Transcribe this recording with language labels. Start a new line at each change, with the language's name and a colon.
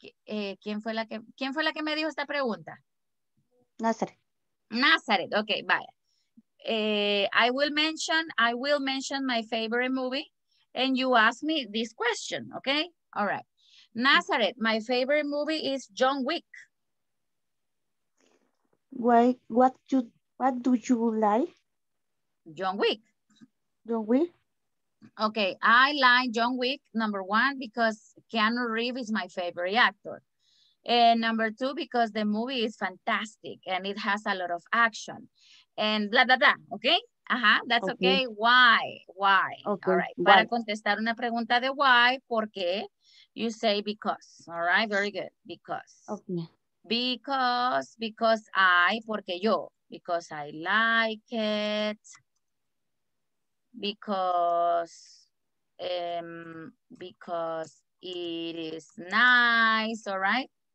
Spanish: ¿Quién fue la que me dijo esta pregunta? Nazareth. Okay, vaya.
English: I will mention my favorite movie, and you ask me this question. Okay, all right. Nazareth, my favorite movie is John Wick. Why? What do you like? John Wick? Okay, I like John Wick, number one, because Keanu Reeves is my favorite actor. And number two, because the movie is fantastic and it has a lot of action. And blah, blah, blah, okay? Uh-huh, that's okay. Why? Okay.
Spanish: All right, para contestar una pregunta de why, ¿por qué?
English: You say because, all right? Very good, because. Okay. Because I like it, because it is nice, all right?